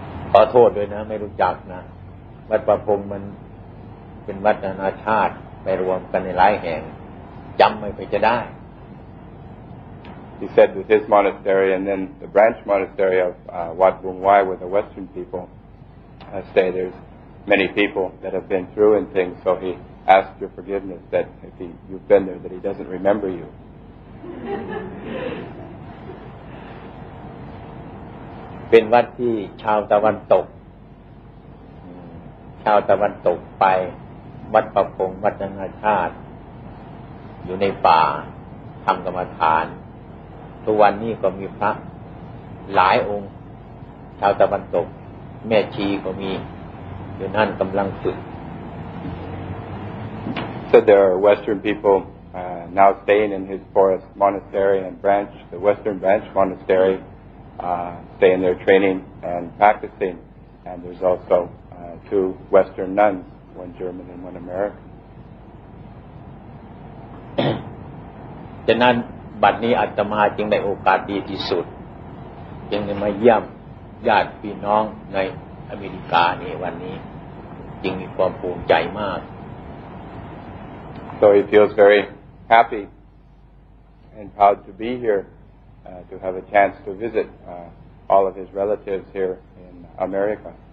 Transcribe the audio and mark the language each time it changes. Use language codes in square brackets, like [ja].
[th] ขอโทษด้วยนะไม่รู้จักนะวัดประพงษ์มันเป็นวัดนานาชาติไปรวมกันในหลายแห่งจำไม่ไปจะได้ [en] He said that his monastery and then the branch monastery of Wat Bung Wai where the Western people stay there's many people that have been through and things so he asked your forgiveness that if you've been there that he doesn't remember you [th] เป็นวัดที่ชาวตะวันตกชาวตะวันตกไปวัดประพงษ์วัดนานาชาติอยู่ในป่าทำกรรมฐานทุกวันนี้ก็มีพระหลายองค์ชาวตะวันตกแม่ชีก็มีอยู่นั่นกำลังฝึก [en] So there are Western peoplenow staying in his forest monastery and branch, the western branch monastery, stay in their training and practicing. And there's also two western nuns, one German and one American. [th] ฉะนั้นบัดนี้อาตมาจึงได้โอกาสดีที่สุดจึงได้มาเยี่ยมญาติพี่น้องในอเมริกานี่วันนี้จึงมีความภูมิใจมาก [en] So he feels very happy and proud to be here to have a chance to visit all of his relatives here in America.